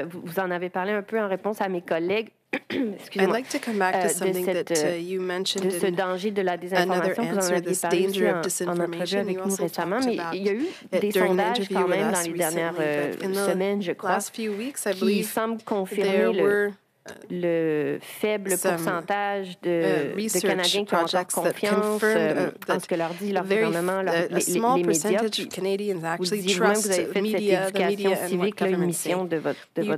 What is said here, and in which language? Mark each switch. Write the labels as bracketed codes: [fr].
[fr] Vous en avez parlé un peu en réponse à mes collègues. [en] I'd like to come back to something that you mentioned [fr] de ce danger de la désinformation, [en] another answer, this danger of disinformation you also talked about during an interview with us recently. But in the last few weeks, I believe there were... [fr] le faible pourcentage de Canadiens qui ont encore confiance en ce que leur dit leur gouvernement, les médias. Vous dites même que vous avez fait cette éducation civique, une mission de votre